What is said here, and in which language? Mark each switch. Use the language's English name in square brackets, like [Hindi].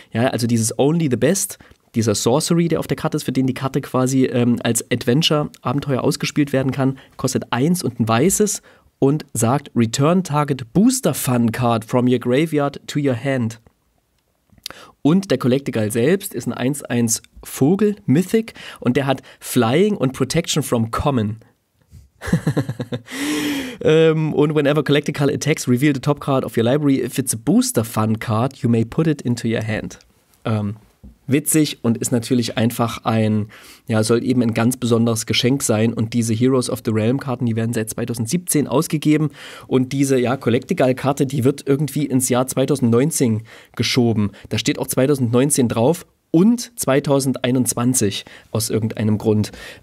[German] Ja, also dieses Only the Best, dieser Sorcery, der auf der Karte ist, für den die Karte quasi als Adventure-Abenteuer ausgespielt werden kann, kostet eins und ein weißes und sagt [English] Return Target Booster Fun Card from your graveyard to your hand. [German] Und der Collectical selbst ist ein 1-1 Vogel, Mythic, und der hat Flying und Protection from Common. und [English] whenever Collectical attacks, reveal the top card of your library. If it's a booster fun card, you may put it into your hand. [German] Witzig und ist natürlich einfach ein, ja, soll eben ein ganz besonderes Geschenk sein. Und diese Heroes of the Realm Karten, die werden seit 2017 ausgegeben. Und diese, ja, Collectical Karte, die wird irgendwie ins Jahr 2019 geschoben. Da steht auch 2019 drauf und 2021 aus irgendeinem Grund.